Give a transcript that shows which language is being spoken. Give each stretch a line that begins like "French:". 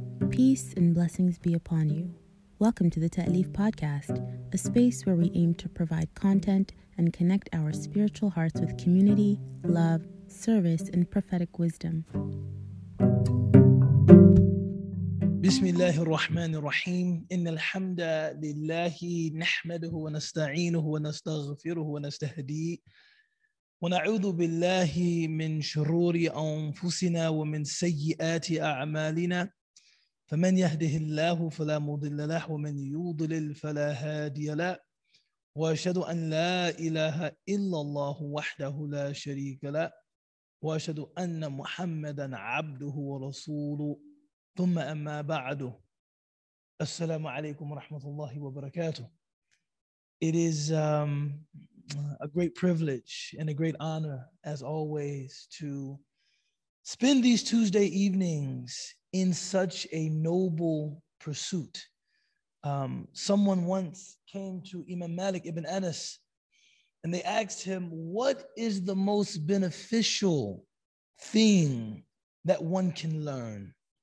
English: Peace and blessings be upon you. Welcome to the Ta'lif Podcast, a space where we aim to provide content and connect our spiritual hearts with community, love, service, and prophetic wisdom.
Arabic: بسم الله الرحمن الرحيم إن الحمد لله نحمده ونستعينه ونستغفره ونستهديه ونعوذ بالله من شرور أنفسنا ومن سيئات أعمالنا فمن يهده الله فلا مضل له ومن يضلل فلا هادي له وأشهد أن لا إله إلا الله وحده لا شريك له وأشهد أن محمدا عبده ورسوله ثم أما بعد السلام عليكم ورحمة الله وبركاته.
English: It is a great privilege and a great honor, as always, to spend these Tuesday evenings in such a noble pursuit. Someone once came to Imam Malik ibn Anas and they asked him, "What is the most beneficial thing that one can learn?"